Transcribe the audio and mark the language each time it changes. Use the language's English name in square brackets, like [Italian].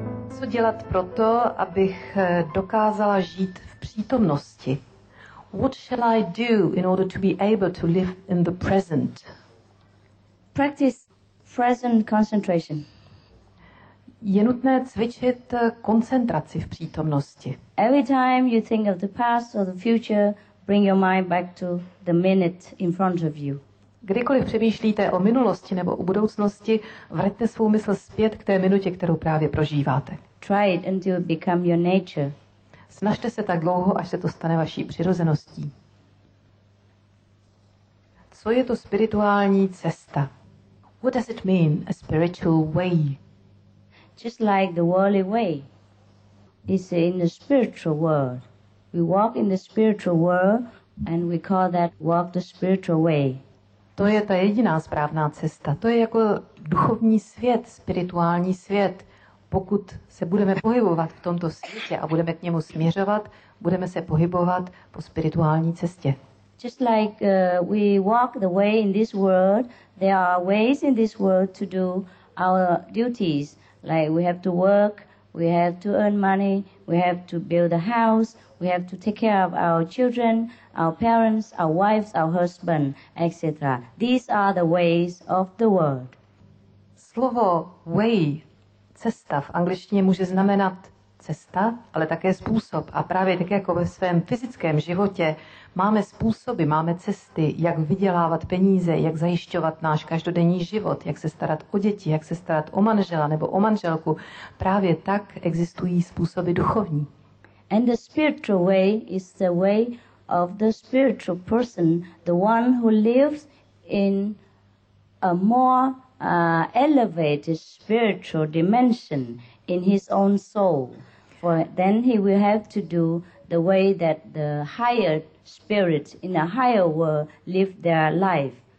[Czech] Co dělat pro to, abych dokázala žít v přítomnosti? [English] What shall I do in order to be able to live in the present? Practice present concentration. [Czech] Je nutné cvičit koncentraci v přítomnosti. [English] Every time you think of the past or the future, bring your mind back to the minute in front of you. [Czech] Kdykoliv přemýšlíte o minulosti nebo o budoucnosti, vraťte svou mysl zpět k té minutě, kterou právě prožíváte. [English] Try it until it becomes your nature. [Czech] Snažte se tak dlouho, až se to stane vaší přirozeností. Co je to spirituální cesta? [English] What does it mean, a spiritual way? Just like the worldly way. It's in the spiritual world. We walk in the spiritual world and we call that walk the spiritual way. [Czech] To je ta jediná správná cesta. To je jako duchovní svět, spirituální svět. Pokud se budeme pohybovat v tomto světě a budeme k němu směřovat, budeme se pohybovat po spirituální cestě. [English] Just like we walk the way in this world, there are ways in this world to do our duties. Like we have to work, we have to earn money, we have to build a house, we have to take care of our children, our parents, our wives, our husband, etc. These are the ways of the world. [Czech] Slovo way, cesta, v angličtině může znamenat cesta, ale také způsob. A právě tak jako ve svém fyzickém životě máme způsoby, máme cesty, jak vydělávat peníze, jak zajišťovat náš každodenní život, jak se starat o děti, jak se starat o manžela nebo o manželku. Právě tak existují způsoby duchovní. [English] And the spiritual way is the way of the spiritual person, the one who lives in a more elevated spiritual dimension in his own soul. For then he will have to do the way that the higher spirit in a higher world live their life.